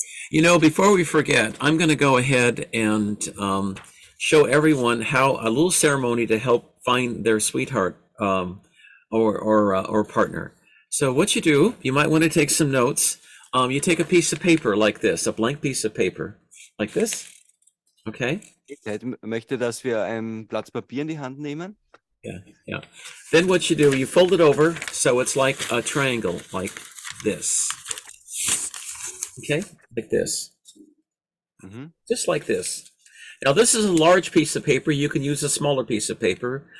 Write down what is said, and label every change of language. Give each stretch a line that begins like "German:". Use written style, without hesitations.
English: You know, before we forget, I'm going to go ahead and show everyone how a little ceremony to help find their sweetheart or partner. So what you do, you might want to take some notes. You take a piece of paper like this, a blank piece of paper, like this. Okay.
German: Ich möchte, dass wir ein Blatt Papier in die Hand nehmen.
English: Yeah. Then what you do, you fold it over so it's like a triangle, like this. Okay, like this. Mm-hmm. Just like this. Now this is a large piece of paper. You can use a smaller piece of paper.